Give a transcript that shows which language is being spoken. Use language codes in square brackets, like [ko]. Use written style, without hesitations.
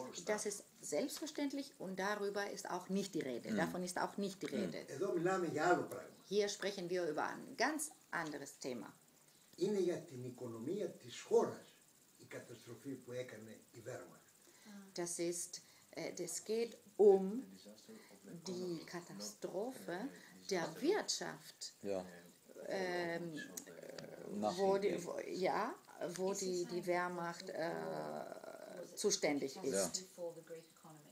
[de] Das ist selbstverständlich und darüber ist auch nicht die Rede. Davon ist auch nicht die Rede. Hier sprechen wir über ein ganz anderes Thema. [el] Είναι για την οικονομία της χώρας η καταστροφή που έκανε η Wehrmacht. [de] Das ist, das geht die Katastrophe der Wirtschaft. Ja. wo die, wo, ja, wo die, die Wehrmacht zuständig ist. Ja.